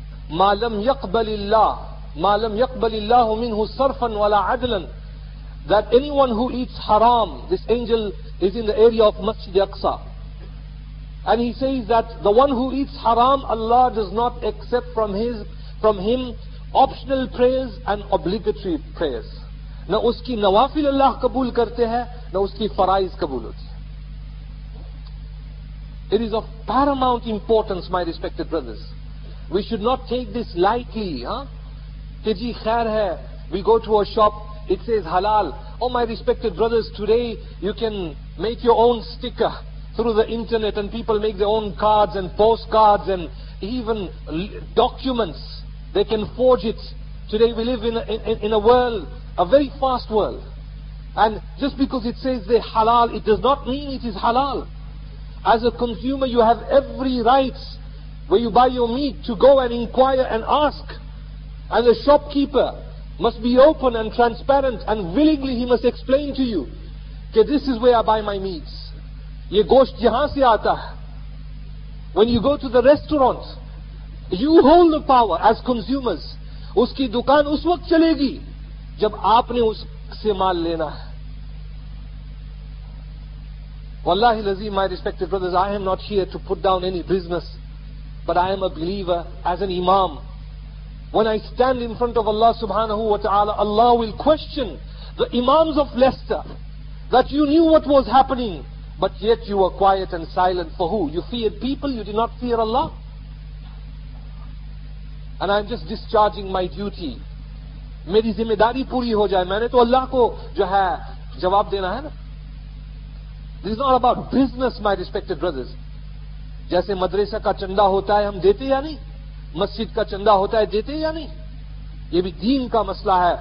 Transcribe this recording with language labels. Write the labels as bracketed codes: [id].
[ar] Ma lam yaqbalillahu minhu sarfan wala adlan, [en] that anyone who eats haram, this angel is in the area of Masjid-e-Aqsa, and he says that the one who eats haram, Allah does not accept from him optional prayers and obligatory prayers. [ur] نہ اس کی نوافل اللہ قبول کرتے ہیں نہ اس کی فرائض قبول ہوتی ہیں. [en] It is of paramount importance, my respected brothers. We should not take this lightly. [ur] کہ جی خیر ہے, [en] we go to a shop, it says halal. Oh my respected brothers, today you can make your own sticker through the internet and people make their own cards and postcards and even documents. They can forge it. Today we live in a world, a very fast world. And just because it says they halal, it does not mean it is halal. As a consumer, you have every right where you buy your meat to go and inquire and ask. And the shopkeeper must be open and transparent, and willingly he must explain to you, okay, this is where I buy my meats. [ur] Ye gosht jahan se aata hai. [en] When you go to the restaurant, you hold the power as consumers. Uski dukaan us waqt chalegi [ur] جب آپ نے اس سے مال لینا ہے. [en] Wallahi lazim, my respected brothers, I am not here to put down any business, but I am a believer as an imam. When I stand in front of Allah subhanahu wa ta'ala, Allah will question the imams of Leicester that you knew what was happening, but yet you were quiet and silent. For who? You feared people, you did not fear Allah. And I am just discharging my duty. [ur] میری ذمہ داری پوری ہو جائے, میں نے تو اللہ کو جو ہے جواب دینا ہے نا. [en] This is not about business, my respected brothers. [ur] جیسے مدرسہ کا چندہ ہوتا ہے ہم دیتے یا نہیں, مسجد کا چندہ ہوتا ہے دیتے یا نہیں, یہ بھی دین کا مسئلہ ہے.